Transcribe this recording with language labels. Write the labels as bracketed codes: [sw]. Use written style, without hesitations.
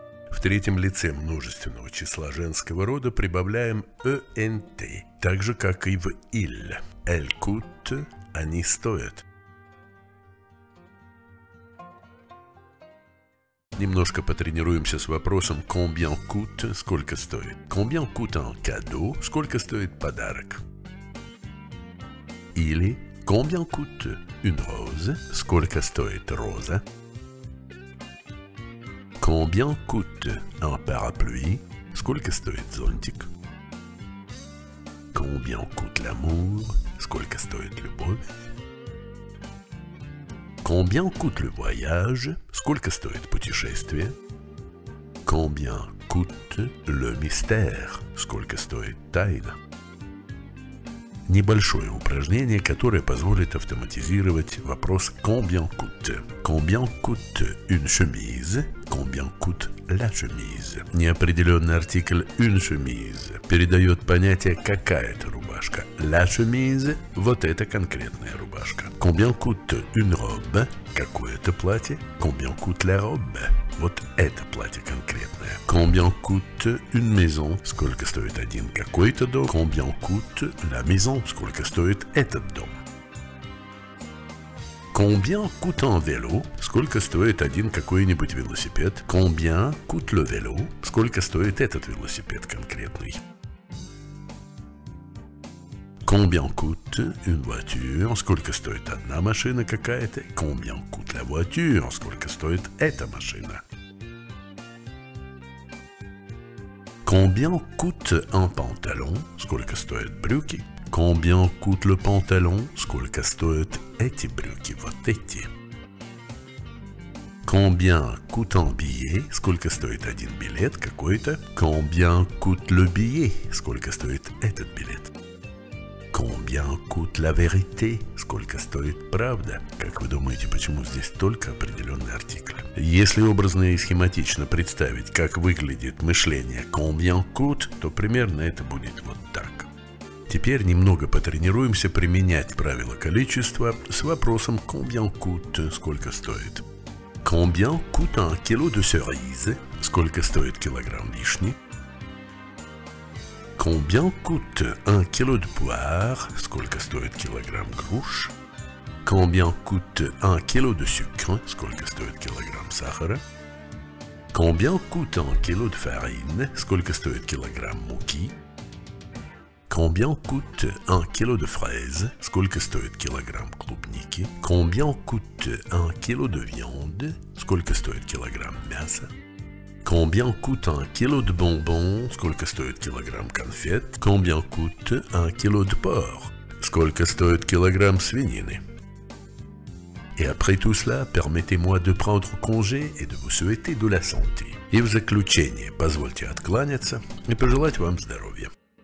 [ru] В третьем лице множественного числа женского рода прибавляем «ent», так же, как и в «il». [fr] «Elle coûte» [ru] – «они стоят». Немножко потренируемся с вопросом [fr] «combien coûte» [ru] – «сколько стоит?» [fr] «Combien coûte un cadeau» – [ru] «сколько стоит подарок?» [fr] Или «combien coûte une rose» – [ru] «сколько стоит роза?» [fr] «Combien coûte un parapluie» – [ru] «сколько стоит зонтик?» [fr] «Combien coûte l'amour» – [ru] Сколько стоит любовь? [fr] Combien coûte le voyage? [ru] Сколько стоит путешествие? [fr] Combien coûte le mystère? [ru] Сколько стоит тайна? Небольшое упражнение, которое позволит автоматизировать вопрос [fr] combien coûte? Combien coûte une chemise? Combien coûte la chemise? [ru] Неопределенный артикль [fr] une chemise [ru] передает понятие какая-то рубашка. [fr] La chemise [ru] – вот эта конкретная рубашка. [fr] Combien coûte une robe? [ru] Какое-то платье? [fr] Combien coûte la robe? [ru] Вот это платье конкретное. [fr] Combien coûte une maison? [ru] Сколько стоит один какой-то дом? [fr] Combien coûte la maison? [ru] Сколько стоит этот дом? [fr] Combien coûte un vélo? [ru] Сколько стоит один какой-нибудь велосипед? [fr] Combien coûte le vélo? [ru] Сколько стоит этот велосипед конкретный? [fr] Combien coûte une voiture? [ru] Сколько стоит одна машина какая-то? [fr] Combien coûte la voiture? [ru] Сколько стоит эта машина? [fr] Combien coûte un pantalon? [ru] Сколько стоит брюки? [fr] Combien coûte le pantalon? [ru] Сколько стоит эти брюки? Вот эти. [fr] Combien coûte un billet? [ru] Сколько стоит один билет какой-то? [fr] Combien coûte le billet? [ru] Сколько стоит этот билет? [fr] Combien coûte la vérité? [ru] Сколько стоит правда? Как вы думаете, почему здесь только определенный артикль? Если образно и схематично представить, как выглядит мышление [fr] combien coûte, [ru] то примерно это будет вот так. Теперь немного потренируемся применять правило количества с вопросом [fr] combien coûte? [ru] Сколько стоит? [fr] Combien coûte un kilo de cerise? [ru] Сколько стоит килограмм вишни? [fr] Combien coûte un kilo de poire? [ru] Сколько стоит килограмм груш? [fr] Combien coûte un kilo de sucre? [ru] Сколько стоит килограмм сахара? [fr] Combien coûte un kilo de farine? [ru] Сколько стоит килограмм муки? [fr] Combien coûte un kilo de fraise? [ru] Сколько стоит килограмм клубники? [fr] Combien coûte un kilo de viande? [ru] Сколько стоит килограмм мяса? [fr] Combien coûte un kilo de bonbons? [ru] Сколько стоит килограмм конфет? [fr] Combien coûte un kilo de porc? [ru] Сколько стоит килограмм свинины? [fr] Et après tout cela, permettez-moi de prendre congé et de vous souhaiter de la santé. [ru] И в заключение, позвольте откланяться и пожелать вам здоровья.